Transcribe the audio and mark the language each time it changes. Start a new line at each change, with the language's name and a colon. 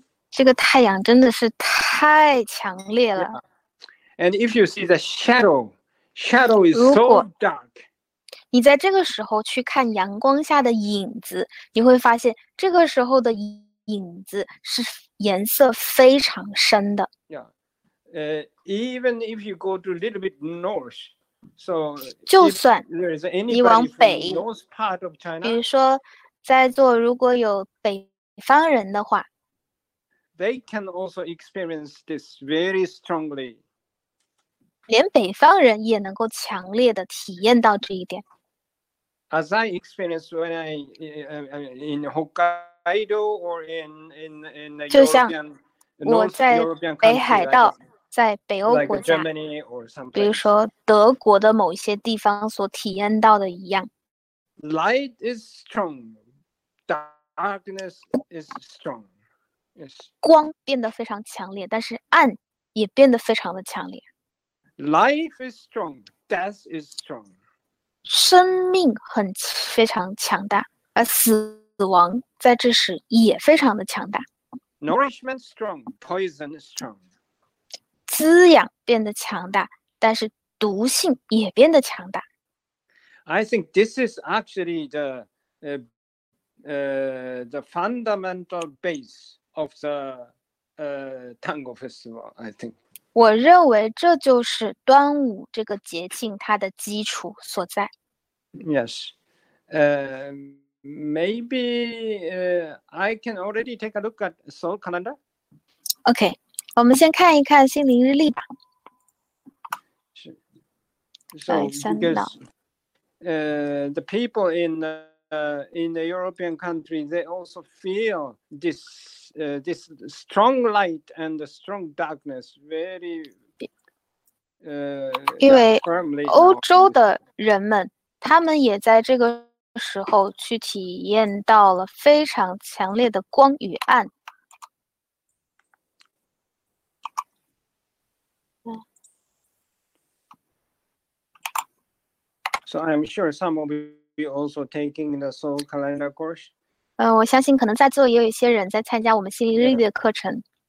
Chinese: 这个太阳真的是太强烈了。
English: And if you see the shadow is so dark.
Chinese: 你在这个时候去看阳光下的影子，你会发现这个时候的影子是颜色非常深的。
English: Even if you go to a little bit north, so
Chinese: 就算你往北，比如说在座如果有北方人的话。
English: They can also experience this very strongly.
Chinese: 连北方人也能够强烈的体验到这一点。
English: As I experienced when I in Hokkaido or in the
Chinese: European, 就像我在北海道，
English: like,
Chinese: 在北欧国家，
English: like、Germany or something,
Chinese: 比如说德国的某一些地方所体验到的一样。
English: Light is strong, darkness is strong.
Chinese: 光变得非常强烈，但是暗也变得非常的强烈。
English: Life is strong, death is strong.
Chinese: 生命很非常强大，而死亡在这时也非常的强大。
English: Nourishment strong, poison is strong.
Chinese: 滋养变得强大，但是毒性也变得强大。
English: I think this is actually the fundamental base. Of the Tango Festival, I think.
Chinese: 我认为这就是端午这个节庆它的基础所在。
English: Yes, maybe I can already take a look at Sol Calendar.
Chinese: Okay, 我们先看一看心灵日历吧。是。
English: So because the people in the European country, they also feel this. This strong light and the strong darkness very
Chinese: 因为欧洲的人们他们也在这个时候去体验到了非常强烈的光与暗。
English: So I'm sure some of you also taking the Soul Calendar course.
Chinese: 我相信可能在座也有一些人在参加我们心灵日历的课程。